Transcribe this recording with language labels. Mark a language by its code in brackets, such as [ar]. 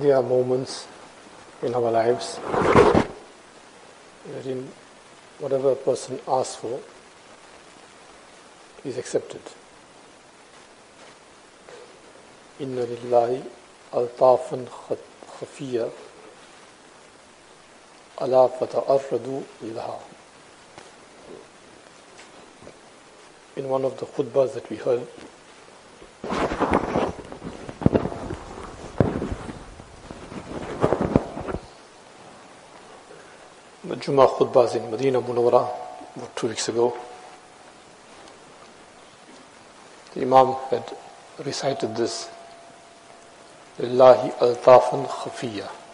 [en] There are moments in our lives wherein whatever a person asks for is accepted. [ar] إن لله ألطافا خفية ألا فتأردوا إليها. [en] In one of the khutbas that we heard, the Jummah khutbas in Medina Munawwara about 2 weeks ago, the Imam had recited this, [ar] Lillahi altafan khafiyya.